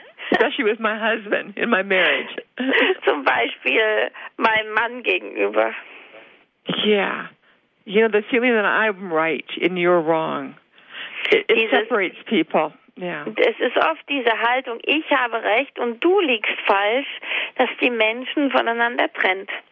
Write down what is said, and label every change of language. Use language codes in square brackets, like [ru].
[en] Especially with my husband in my marriage. [de] Zum Beispiel meinem Mann gegenüber. [en] Yeah. You know, the feeling that I'm right and you're wrong. It separates people. Yeah. [de] Es ist oft diese Haltung, ich habe recht und du liegst falsch, dass die Menschen voneinander trennt.